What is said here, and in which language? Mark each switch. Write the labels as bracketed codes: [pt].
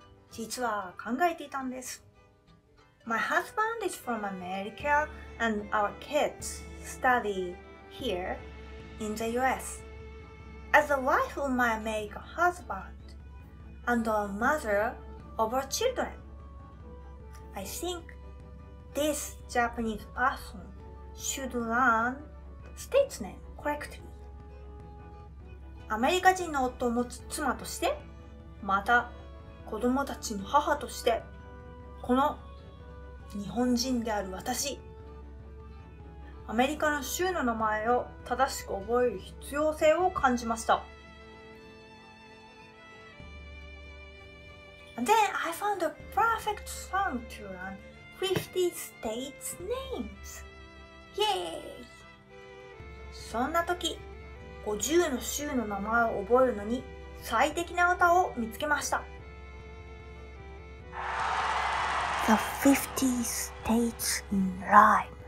[ja] 実は考えていたんです。 [en] My husband is from America and our kids study here in the US. As the wife of my American husband and a mother of our children, I think this Japanese person should learn state name correctly. [ja] アメリカ人の夫を持つ妻として、また子供たちの母として、この日本人である私、アメリカの州の名前を正しく覚える必要性を感じました。 [en] And then I found a perfect song to learn 50 states names. Yay! [ja] そんな時、50の州の名前を覚えるのに最適な歌を見つけました。 [en] The 50 States in Rhyme.